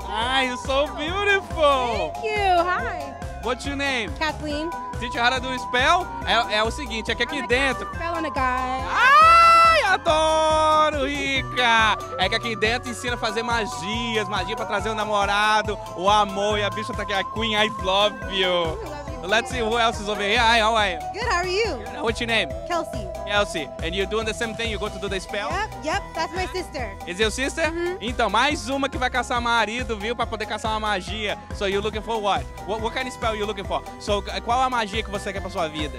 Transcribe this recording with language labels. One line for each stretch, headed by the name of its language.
English: fine. Hi, you're so beautiful. Thank you. Hi. What's your name? Kathleen. Did you how to do a spell?
Portuguese: É o seguinte, é que aqui dentro.
English: Spell on a guy.
Portuguese: Ai, adoro, rica. É que aqui dentro ensina a fazer magias, magia para trazer o namorado, o amor, e a bicha tá aqui, a Queen,
English: I love you. Let's see who else is over here. Hi, how are you? Good, how are you? What's your name? Kelsey. Kelsey. And you're doing the same thing? You go to do the spell? Yep, that's my sister. Is your sister? Mm-hmm.
Portuguese: Então, mais uma que vai caçar marido, viu? Pra poder caçar uma magia.
English: So you're looking for what? What kind of spell are you looking for?
Portuguese: So qual a magia que você quer pra sua vida?